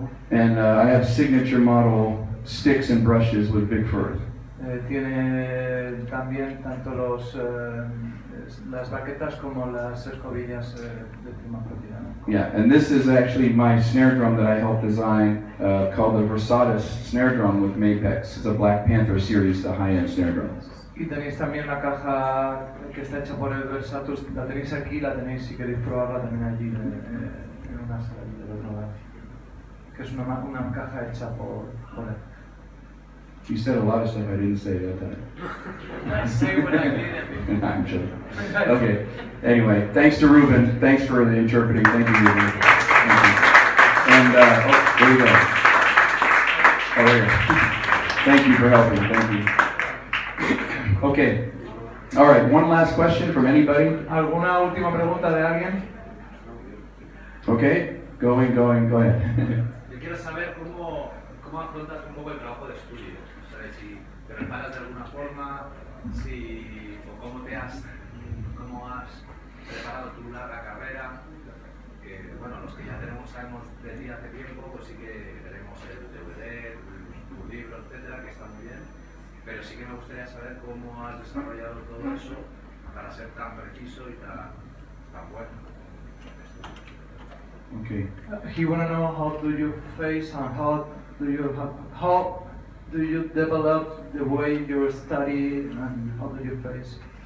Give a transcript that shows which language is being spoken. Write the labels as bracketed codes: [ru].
[en] And I have signature model sticks and brushes with Big Firth. [es] Tiene también tanto los las baquetas como las escobillas de prima propiedad. [en] Yeah, and this is actually my snare drum that I helped design, called the Versatus snare drum with Mapex. It's a Black Panther series, the high-end snare drum. [es] Y tenéis también la caja que está hecha por el Versatus. La tenéis aquí, la tenéis si queréis probarla también allí en una sala de otro lado. Que es una caja hecha por él. [en] You said a lot of stuff I didn't say at that time. I say what I mean. I'm joking. Sure. Okay. Anyway, thanks to Ruben. Thanks for the interpreting. Thank you, Ruben. Thank you. And oh, there you go. Oh, yeah. Thank you for helping. Thank you. Okay. All right. One last question from anybody. [es] ¿Alguna última pregunta de alguien? [en] Okay. Going. Go ahead. [es] Quiero saber cómo. ¿Cómo afrontas un poco el trabajo de estudio? O sea, si te preparas de alguna forma, si, o cómo has preparado tu larga carrera, que bueno, los que ya tenemos sabemos de ti hace tiempo, pues sí que tenemos el DVD, tu libro, etcétera, que está muy bien, pero sí que me gustaría saber cómo has desarrollado todo eso para ser tan preciso y tan bueno. [en] Okay. He wanna know how do you face and how do you develop the way you study and how do you face?